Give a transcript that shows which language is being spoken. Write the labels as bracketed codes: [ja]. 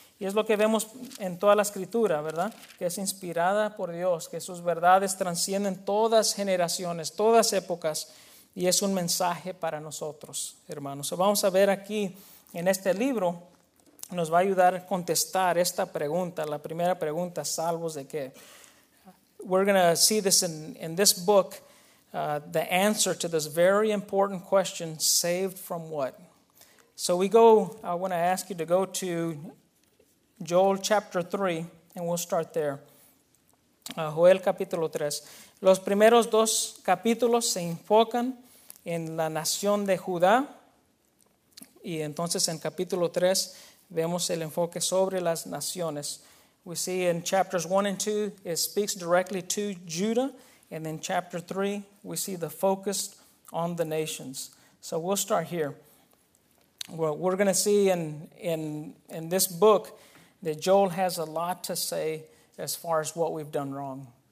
[es] Y es lo que vemos en toda la escritura, ¿verdad? Que es inspirada por Dios, que sus verdades transcienden todas generaciones, todas épocas, y es un mensaje para nosotros, hermanos. So vamos a ver aquí, en este libro, nos va a ayudar a contestar esta pregunta, la primera pregunta, ¿salvos de qué? [en] We're going to see this in this book, the answer to this very important question, ¿saved from what? So we go, I want to ask you to go to Joel chapter 3, and we'll start there. [es] Joel capítulo 3. Los primeros dos capítulos se enfocan en la nación de Judá. Y entonces en capítulo 3 vemos el enfoque sobre las naciones. [en] We see in chapters 1 and 2 it speaks directly to Judah. And in chapter 3 we see the focus on the nations. So we'll start here. Well, we're going to see in this book that Joel has a lot to say as far as what we've done wrong.